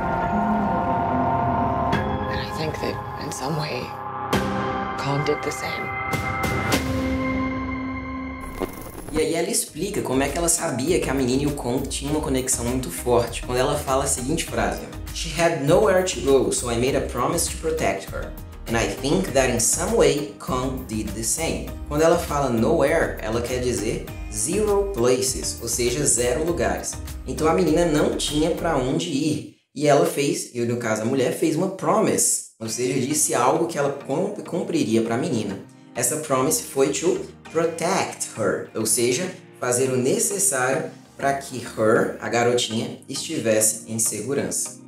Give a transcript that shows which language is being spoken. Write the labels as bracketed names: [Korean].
[English] And I think that in some way Kong did the same. [Portuguese] E aí ela explica como é que ela sabia que a menina e o Kong tinham uma conexão muito forte. Quando ela fala a seguinte frase: [English] She had nowhere to go, so I made a promise to protect her. And I think that in some way, Kong did the same. [Portuguese] Quando ela fala nowhere, ela quer dizer [English] zero places, [Portuguese] ou seja, zero lugares. Então a menina não tinha pra onde ir. E ela fez, e no caso a mulher, fez uma promise. Ou seja, disse algo que ela cumpriria pra menina. Essa promise foi [English] to protect her. [Portuguese] Ou seja, fazer o necessário para que her, a garotinha, estivesse em segurança.